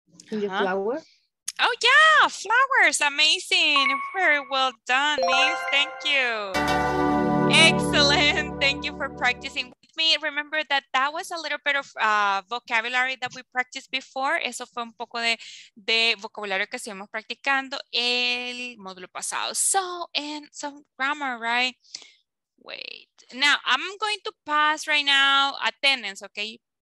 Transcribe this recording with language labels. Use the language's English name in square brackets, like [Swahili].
[English] Uh-huh. Oh yeah, flowers, amazing. Very well done, Miss. Thank you. Excellent. Thank you for practicing with me. Remember that was a little bit of vocabulary that we practiced before. [Spanish] Eso fue un poco de vocabulario que estuvimos practicando el módulo pasado. [English] So, and some grammar, right? Wait. Now, I'm going to pass right now attendance, okay?